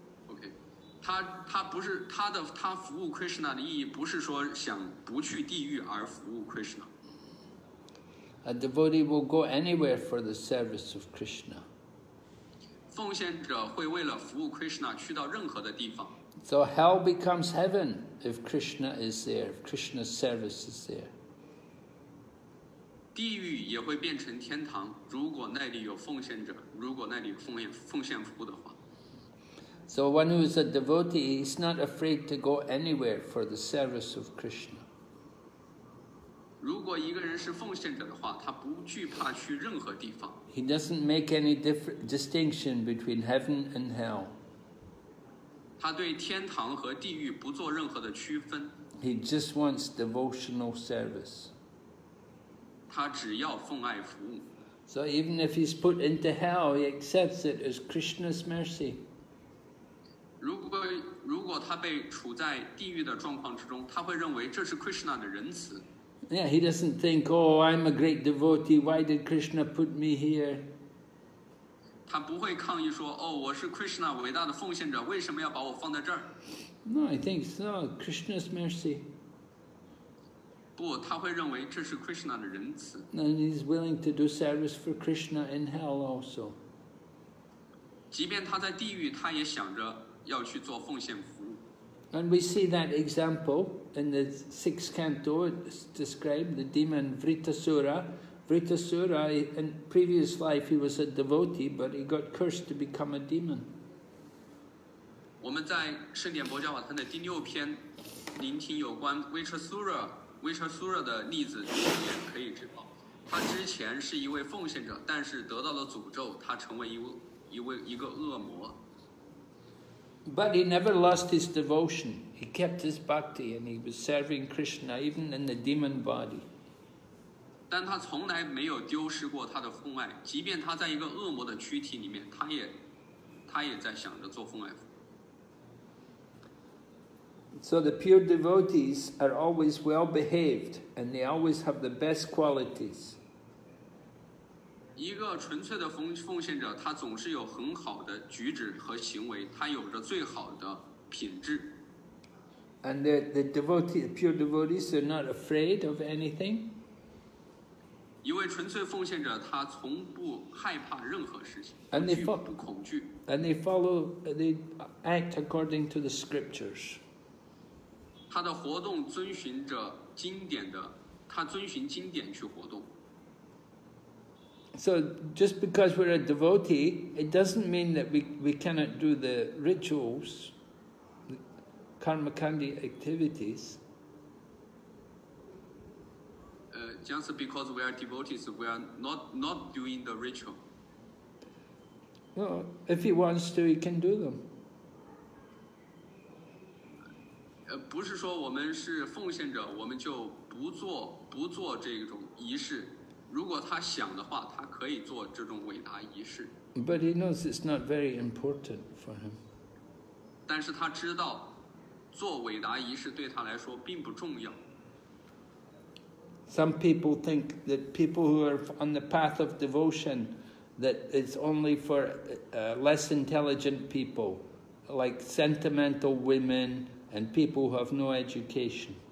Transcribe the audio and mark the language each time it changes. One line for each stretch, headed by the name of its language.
Chinese: Okay. 他服务 Krishna 的意义不是说想不去地狱而服务 Krishna.
English: A devotee will go anywhere for the service of Krishna.
Chinese: 奉献者会为了服务 Krishna 去到任何的地方。
English: So hell becomes heaven if Krishna is there, if Krishna's service is there.
Chinese: 地狱也会变成天堂，如果那里有奉献者，如果那里有奉献服务的话。
English: So one who is a devotee is not afraid to go anywhere for the service of Krishna.
Chinese: 如果一个人是奉献者的话，他不惧怕去任何地方。
English: He doesn't make any distinction between heaven and hell.
Chinese: 他对天堂和地狱不做任何的区分。
English: He just wants devotional service.
Chinese: 他只要奉爱服务。
English: So even if he's put into hell, he accepts it as Krishna's mercy.
Chinese: 如果他被处在地狱的状况之中，他会认为这是 Krishna 的仁慈。
English: Yeah, he doesn't think, oh, I'm a great devotee. Why did Krishna put me here?
Chinese: 他不会抗议说，哦，我是 Krishna 伟大的奉献者，为什么要把我放在这儿？
English: No, I think it's not Krishna's mercy.
Chinese: 不，他会认为这是 Krishna 的仁慈。
English: And he's willing to do service for Krishna in hell also.
Chinese: 即便他在地狱，他也想着要去做奉献服务。
English: And we see that example in the sixth canto, it's described the demon Vritasura. Vritasura, in previous life, he was a devotee, but he got cursed to become a demon.
Chinese: 我们在圣典薄伽瓦坛的第六篇聆听有关 Vritasura 的例子，也可以知道，他之前是一位奉献者，但是得到了诅咒，他成为一个恶魔。
English: But he never lost his devotion. He kept his bhakti and he was serving Krishna even in the demon body.
Chinese: 但他从来没有丢失过他的奉爱，即便他在一个恶魔的躯体里面，他也在想着做奉爱。
English: So the pure devotees are always well behaved, and they always have the best qualities.
Chinese: 一个纯粹的奉献者，他总是有很好的举止和行为，他有着最好的品质。
English: And the pure devotees are not afraid of anything.
Chinese: 一位纯粹奉献者，他从不害怕任何事情，不恐惧。
English: And they follow, they act according to the scriptures.
Chinese: 他的活动遵循着经典的，他遵循经典去活动。
English: So just because we're a devotee, it doesn't mean that we cannot do the rituals, the karmakandi activities. Just because we are devotees, we are not doing the ritual. Well, if he wants to, he can do them.
Chinese: 不是说我们是奉献者，我们就不做这种仪式。如果他想的话，他可以做这种伟大仪式。
English: But he knows it's not very important for him.
Chinese: 但是他知道，做伟大仪式对他来说并不重要。
English: Some people think that people who are on the path of devotion, that it's only for less intelligent people, like sentimental women and people who have no education.